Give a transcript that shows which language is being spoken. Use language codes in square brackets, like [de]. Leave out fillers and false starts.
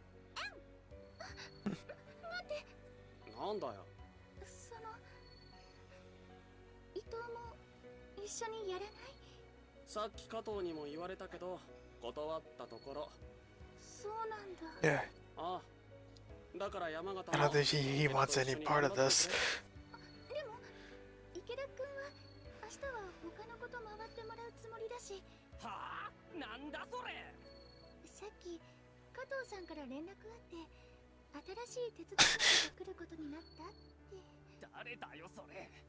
[ja] 待って。なんだよ。その、伊藤も一緒にやらない？さっき加藤にも言われたけど、断ったところ。そうなんだ。ああ、 [en] I don't think he wants any part of this. [ja] でも、池田君は明日は他のこと回ってもらうつもりだし。はあ？なんだそれ。さっき加藤さんから連絡あって、新しい手伝いが来ることになったって。誰だよそれ。